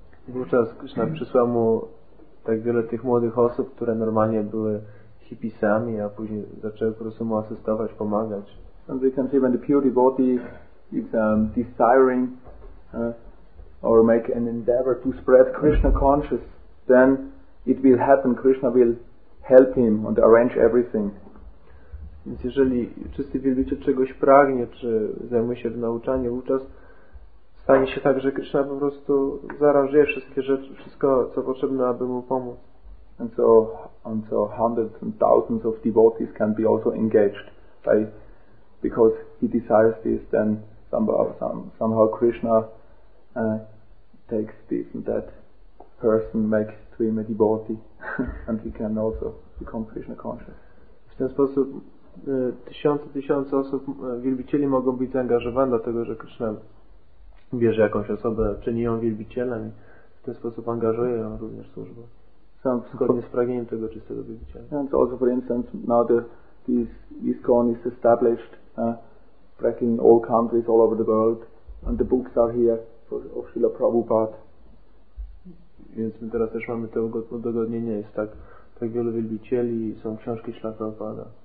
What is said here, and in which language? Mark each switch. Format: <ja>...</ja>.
<pl>Wówczas Krishna przysłał mu tak wiele tych młodych osób, które normalnie były hippisami, a później zaczęły po prostu mu asystować, pomagać.</pl> <en>And we can see when the pure devotee is desiring or make an endeavor to spread Krishna consciousness, then it will happen. Krishna will help him and arrange everything.</en> <pl>Więc jeżeli czysty wielbiciel czegoś pragnie, czy zajmuje się w nauczaniu, wówczas stanie się tak, że Krishna po prostu zaaranżuje wszystkie rzeczy, wszystko co potrzebne, aby mu pomóc.</pl> <en>And so hundreds and thousands of devotees can be also engaged by, because he desires this, then somehow Krishna takes this and that person, makes to him a devotee and he can also become Krishna conscious.</en> <pl>W ten sposób tysiące osób, wielbicieli mogą być zaangażowane, dlatego że Krishna bierze jakąś osobę, czyni ją wielbicielem i w ten sposób angażuje ją również w służbę. Zgodnie z pragnieniem tego czystego wielbiciela.</pl> <en>And also for instance, now this ISKCON is established, tracking all countries all over the world, and the books are here of Srila Prabhupada.</en> <pl>Więc my teraz też mamy to udogodnienie, jest tak wielu wielbicieli, są książki Srila Prabhupada.</pl>